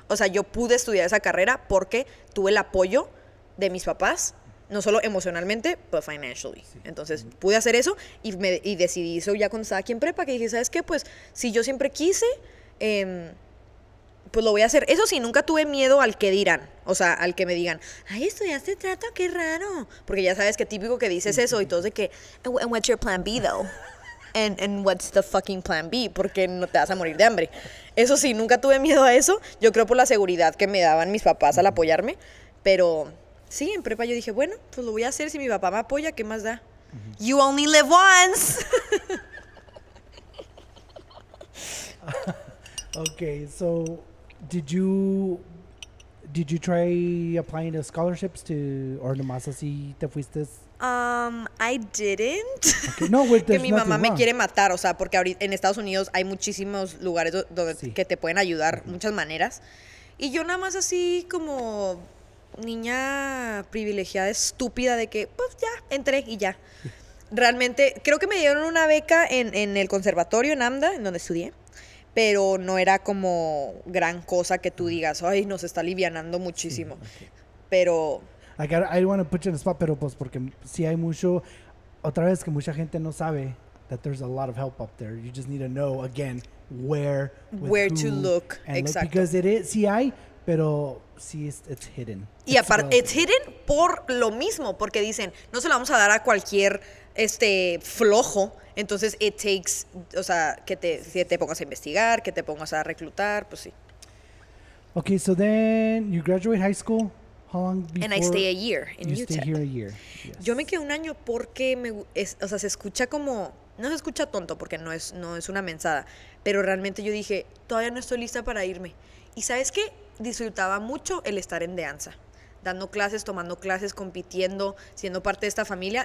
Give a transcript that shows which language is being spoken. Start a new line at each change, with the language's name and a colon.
Spanish: O sea, yo pude estudiar esa carrera porque tuve el apoyo de mis papás, no solo emocionalmente, pero financially. Entonces, pude hacer eso y decidí eso ya cuando estaba aquí en prepa, que dije, ¿sabes qué? Pues si yo siempre quise, pues lo voy a hacer. Eso sí, nunca tuve miedo al que dirán. O sea, al que me digan, ay, estudiaste trato, qué raro. Porque ya sabes que típico que dices Sí, sí, eso y sí. todos de que,
English: and what's your plan B, though? And what's the fucking plan B?
Spanish: Porque no te vas a morir de hambre. Eso sí, nunca tuve miedo a eso. Yo creo por la seguridad que me daban mis papás al apoyarme. Pero sí, en prepa yo dije, bueno, pues lo voy a hacer. Si mi papá me apoya, ¿qué más da?
English: You only live once. Okay, so did you try applying to scholarships to or
Spanish: nomás así te fuiste?
English: I didn't. Okay, no, wait,
Spanish: Que
English: there's
Spanish: mi mamá
English: nothing
Spanish: me quiere
English: wrong.
Spanish: matar, o sea, porque ahorita en Estados Unidos hay muchísimos lugares donde Sí. que te pueden ayudar, muchas maneras. Y yo nada más así como niña privilegiada, estúpida, de que, pues ya, entré y ya. Realmente, creo que me dieron una beca en el conservatorio en AMDA, en donde estudié, pero no era como gran cosa que tú digas, ay, nos está alivianando Sí, muchísimo.
English: okay.
Spanish: Pero
English: I don't want to put you in the spot,
Spanish: pero pues porque sí hay mucho, otra vez que mucha gente no sabe,
English: that there's a lot of help up there. You just need to know, again, where to look. Exactly. Because it is,
Spanish: sí hay, pero sí,
English: it's hidden.
Spanish: Y aparte,
English: it's hidden
Spanish: por lo mismo, porque dicen, no se lo vamos a dar a cualquier flojo. Entonces,
English: it takes,
Spanish: o sea, que te, si te pongas a investigar, que te pongas a reclutar, pues sí.
English: Okay, so then you graduate high school. How long before? And I stay a year in UTEP. You stay here a year. Yes.
Spanish: Yo me quedé un año porque me, o sea, se escucha como, no se escucha tonto porque no es, no es una mensada, pero realmente yo dije, todavía no estoy lista para irme. Y ¿sabes qué? Disfrutaba mucho el estar en danza, dando clases, tomando clases, compitiendo, siendo parte de esta familia.